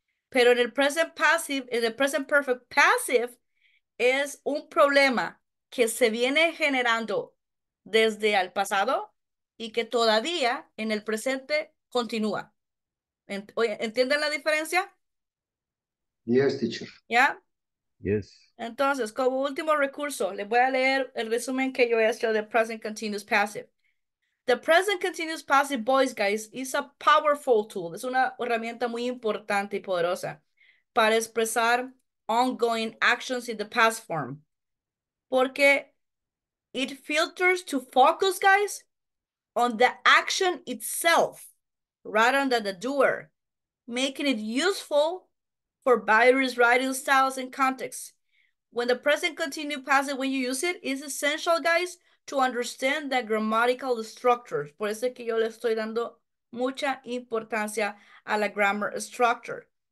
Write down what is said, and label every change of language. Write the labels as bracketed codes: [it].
[es] Pero en el present passive, en el present perfect passive, es un problema que se viene generando desde el pasado y que todavía en el presente continúa. ¿Entienden la diferencia? [en] Yes, teacher. [es] ¿Ya? [en] Yes. [es] Entonces, como último recurso, les voy a leer el resumen que yo he hecho de Present Continuous Passive. [en] The Present Continuous Passive, boys, guys, is a powerful tool. [es] Es una herramienta muy importante y poderosa para expresar [en] ongoing actions in the past form. [es] Porque [en] it filters to focus, guys, on the action itself, rather than the doer, making it useful for various writing styles and contexts. When the present continuous passive, when you use it, it's essential, guys, to understand the grammatical structures. [es] Por eso es que yo le estoy dando mucha importancia a la grammar structure.